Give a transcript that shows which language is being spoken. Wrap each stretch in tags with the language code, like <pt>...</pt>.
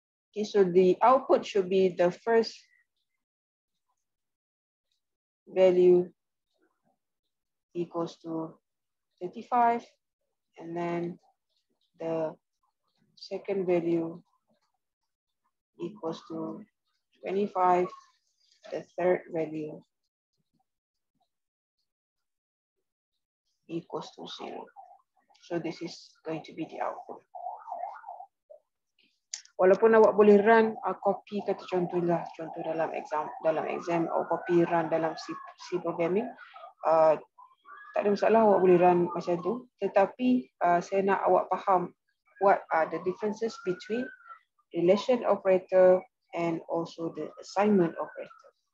<en>Okay, so the output should be the first value equals to 35, and then the second value equals to 25, the third value equals to 0. So this is going to be the output.</en> <ms>Walaupun awak boleh run, copy kata contohlah, contoh dalam exam, dalam exam, awak copy run dalam C programming, tak ada masalah awak boleh run macam tu. Tetapi saya nak awak faham</ms> <en>what are the differences between relation operator and also the assignment operator.</en>